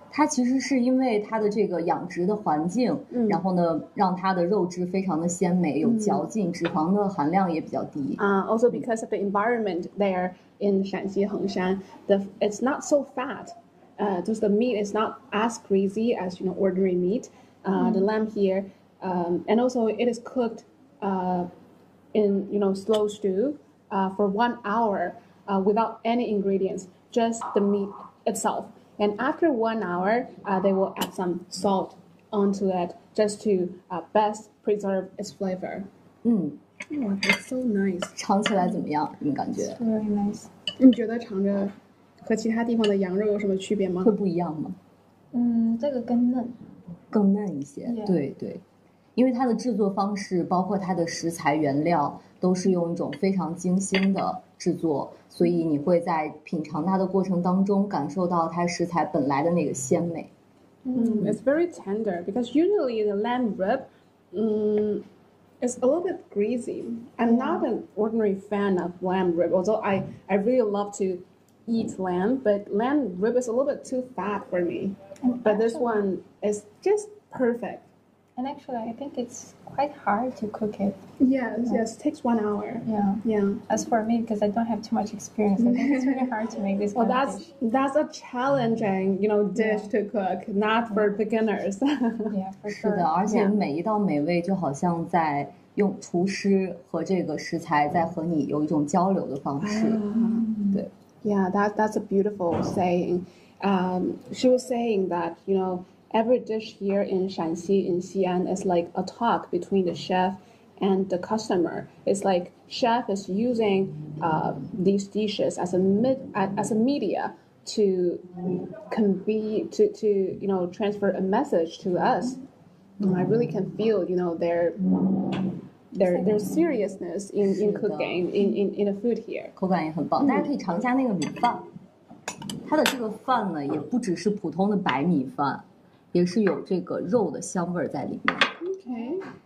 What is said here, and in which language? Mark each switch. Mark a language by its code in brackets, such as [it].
[zh] 它其实是因为它的这个养殖的环境，嗯、然后呢，让它的肉质非常的鲜美，有嚼劲，嗯、脂肪的含量也比较低。 [en] Also because of the environment there in 陕西横山， it's not so fat. Just the meat is not as greasy as you know ordinary meat. The lamb here, and also it is cooked, in you know slow stew, for 1 hour. Without any ingredients, just the meat itself. And after 1 hour, they will add some salt onto it just to best preserve its flavor. Oh, it's so nice. [zh] 尝起来怎么样？你感觉？ [en] It's very nice. [zh] 你觉得尝着和其他地方的羊肉有什么区别吗？会不一样吗？嗯，这个更嫩。更嫩一些。 [en] Yeah. [zh] 对对，因为它的制作方式，包括它的食材原料，都是用一种非常精心的。制作，所以你会在品尝它的过程当中感受到它食材本来的那个鲜美。 [en] It's very tender because usually the lamb rib, is a little bit greasy. I'm not an ordinary fan of lamb rib, although I really love to eat lamb, but lamb rib is a little bit too fat for me. But this one is just perfect. And actually, I think it's quite hard to cook it. Yes, it takes 1 hour. Yeah. As for me, because I don't have too much experience, I think it's really hard to make this kind of dish. That's a challenging, you know, dish to cook, not for beginners. Yeah, for sure. [zh] 是的，而且每一道美味就好像在用厨师和这个食材在和你有一种交流的方式。对。 [en] Yeah, that's a beautiful saying. She was saying that, you know,Every dish here in Shanxi, in Xi'an, is like a talk between the chef and the customer. It's like chef is using these dishes as a media to transfer a message to us. And I really can feel, you know, their seriousness in cooking, in the food here. [zh] 口感也很棒，大家可以尝一下那个米饭。它的这个饭呢，也不只是普通的白米饭。也是有这个肉的香味在里面。